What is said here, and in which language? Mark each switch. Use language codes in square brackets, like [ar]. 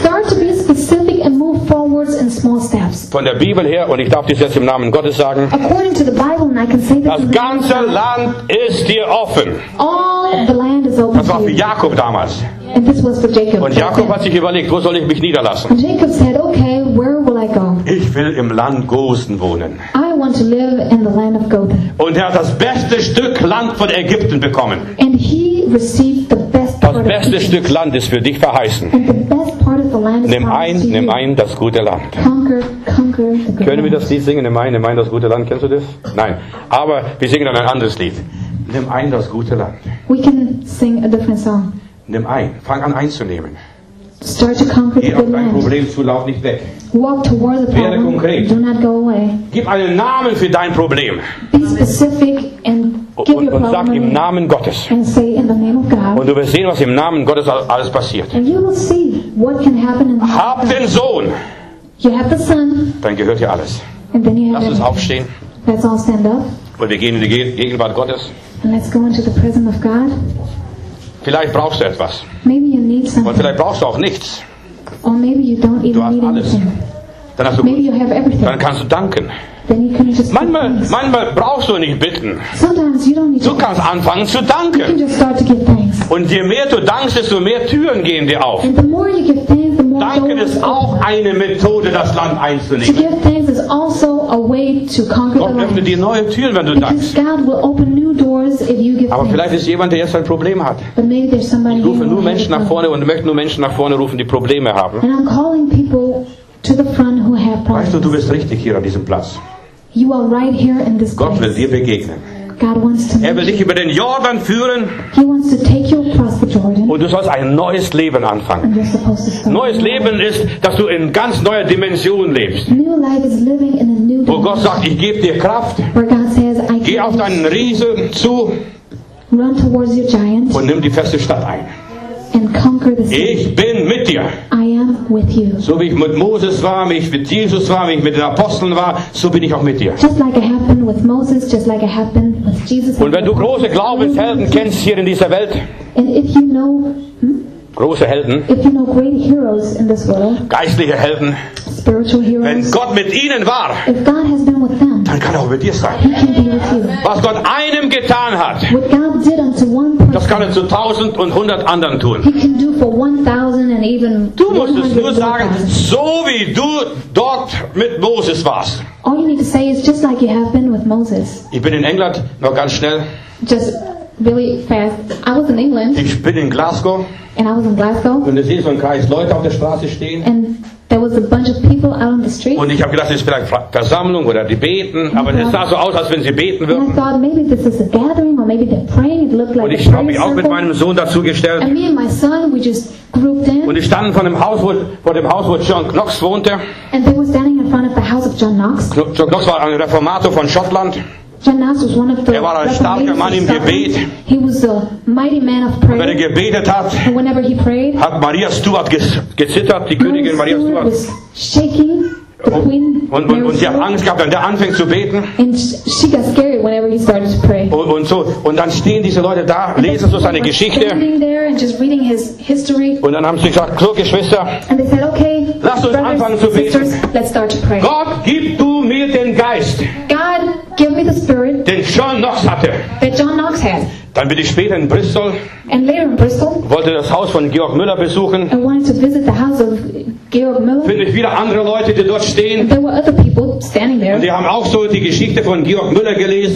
[en] Start to be specific and move forwards in small steps. [de] Von der Bibel her, und ich darf dies jetzt im Namen Gottes sagen, [en] According to the Bible, and I can say [de] das ganze Land ist dir offen. [en] All the land is open [de] das war für Jakob damals. [en] And this was for Jacob. [de] Und Jakob hat sich überlegt, wo soll ich mich niederlassen? [en] And Jacob said, okay, where will I go? [de] Ich will im Land Gosen wohnen. [en] I want to live in the land of Goshen. [de] Und er hat das beste Stück Land von Ägypten bekommen. [en] And he received the best [de] das beste Stück Land ist für dich verheißen. [en] And the best part of the land is [de] nimm ein, [en] to [de] nimm [en] you. [de] Ein das gute Land. [en] Conquer the good [de] Können wir das Lied singen? Nimm ein, das gute Land. Kennst du das? Nein. Aber wir singen dann ein anderes Lied. Nimm ein, das gute Land. [en] We can sing a different song. [de] Nimm ein. Fang an einzunehmen. [en] Start to conquer the good land. [de] Problem zu, lauf nicht weg. [en] Walk toward the problem. [de] Werde konkret. [en] Do not go away. [de] Gib einen Namen für dein Problem. [en] Be specific and give [de] und, [en] your [de] und [en] problem [de] sag im Namen Gottes. [en] And say in the name of God. [de] Und du wirst sehen, was im Namen Gottes alles passiert. [en] And you will see what can happen in the [de] Hab [en] name of God. [de] Den Sohn. [en] You have the Son. [de] Dann gehört dir alles. [en] And then you have everything. [de] Uns aufstehen. [en] Let's all stand up. [de] Und wir gehen in die Gegenwart Gottes. [en] And let's go into the presence of God. [de] Vielleicht brauchst du etwas. [en] Maybe you need something. [de] Und vielleicht brauchst du auch nichts. [en] Or maybe you don't even [de] du hast alles. Dann hast du [en] maybe you have everything. [de] Dann kannst du danken. [en] Then you can just [de] manchmal brauchst du nicht bitten. [en] Sometimes you don't need [de] du kannst [en] thanks. [de] Anfangen zu danken. [en] You can just start to give thanks. [de] Und je mehr du dankst, desto mehr Türen gehen dir auf. [en] And the more you give thanks, the more [de] Danken [en] doors [de] ist auch [en] open. [de] Eine Methode, das Land einzunehmen. [en] To give thanks is also a way to conquer [de] Gott Öffnet dir neue Türen, wenn du [en] Because [de] dankst. [en] God will open new doors if you give [de] Aber [en] thanks. [de] Vielleicht ist jemand, der jetzt ein Problem hat. [en] But maybe there's somebody [de] ich rufe nur Menschen nach vorne und möchte nur Menschen nach vorne rufen, die Probleme haben. [en] And I'm calling people to the front who have problems. [de] Weißt du bist richtig hier an diesem Platz. [en] You are right here in this [de] Gott [en] place. [de] Will dir begegnen. [en] God wants to [de] er will dich über den Jordan führen. [en] He wants to take you across the Jordan. [de] Und du sollst ein neues Leben anfangen. [en] And you're supposed to start [de] neues Leben [en] life. [de] Ist, dass du in ganz neuer Dimension lebst. [en] New life is living in a new dimension. [de] Wo Gott sagt, ich gebe dir Kraft. [en] Where God says, I [de] Geh auf deinen Riesen zu. [en] Run towards your giant. [de] Und nimm die feste Stadt ein. [en] And conquer the city. [de] Ich bin mit dir. [en] I am with you. [de] So wie ich mit Moses war, wie ich mit Jesus war, wie ich mit den Aposteln war, so bin ich auch mit dir. [en] Just like it happened with Moses, just like it happened with Jesus. [de] Und wenn du große Glaubenshelden kennst hier in dieser Welt, [en] and if you know [de] große Helden, [en] if you know great heroes in this world, [de] geistliche Helden, [en] spiritual heroes, [de] wenn Gott mit ihnen war, [en] if God has been with them, [de] dann kann er auch mit dir sein. [en] He can be with you. [de] Was Gott einem getan hat, [en] what God did unto one person, [de] das kann er zu 1000 und 100 anderen tun. [en] He can do for 1000 and even [de] du musst es nur sagen, so wie du dort mit Moses warst. [en] All you need to say is just like you have been with Moses. [de] Ich bin in England, noch ganz schnell. [en] Just really fast. I was in England. [de] Ich bin in Glasgow. [en] And I was in Glasgow. [de] Und du siehst so einen Kreis Leute auf der Straße stehen. [en] And there was a bunch of people out on the street. [de] Und ich habe gedacht, es ist vielleicht Versammlung oder die beten, aber es sah so aus, als wenn sie beten würden. [en] I thought maybe this is a gathering or maybe they're praying. It looked like [de] Und ich habe mich auch mit meinem Sohn dazugestellt. [en] And me and my son, we just grouped in. [de] Und ich stand vor dem Haus, wo John Knox wohnte. [en] And they were standing in front of the house of John Knox. [de] John Knox war ein Reformator von Schottland. [en] John Knox was one of the [de] er war ein starker Mann im Gebet. [en] He was a mighty man of prayer. [de] Wenn er gebetet hat, [en] whenever he prayed, [de] hat Maria Stuart gezittert, die Königin Maria Stuart. [en] Was shaking. [de] Und sie haben Angst gehabt, wenn der anfängt zu beten. [en] And she got scared whenever he started to pray. [de] Und dann stehen diese Leute da, lesen so seine Geschichte. Und dann haben sie gesagt, kluge Schwester, [en] and they said, okay, [de] lass uns [en] brothers, [de] anfangen zu beten. [en] Sisters, let's start to pray. [de] Gott, gib du mir den Geist, [en] God, give me the spirit, [de] den John Knox hatte. [en] That John Knox had. [de] Dann bin ich später in Bristol, [en] and later in Bristol, [de] wollte das Haus von Georg Müller besuchen. [en] I wanted to visit the house of Georg Müller. [de] Finde ich wieder andere Leute, die dort stehen. [en] There were other people standing there. [de] Und die haben auch so die Geschichte von Georg Müller gelesen.